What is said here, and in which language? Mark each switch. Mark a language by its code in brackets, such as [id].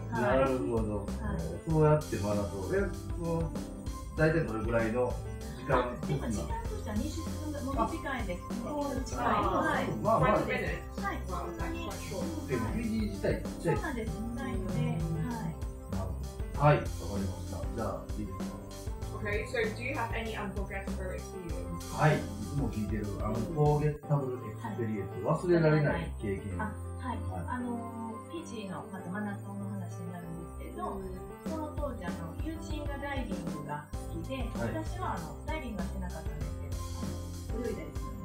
[ja] なるほど、そうやってマナ島で、大体どれぐらいの時間、時間としては20分ぐらい、短いです、もう近い、はい、まあまあ、はい、そんなに、でも、フィジー自体、そうなんです、ないので、はい、はい、わかりました、じゃあ、いいですか。 [en] Okay, so do you have any unforgettable experience? [ja] はい、いつも聞いてる、unforgettable experience、はい、忘れられない経験。あ、はい、はい、フィジーの、またマナ島の話になるんですけど、その当時友人がダイビングが好きで、はい、私はダイビングはしてなかったんですけど、泳いだりする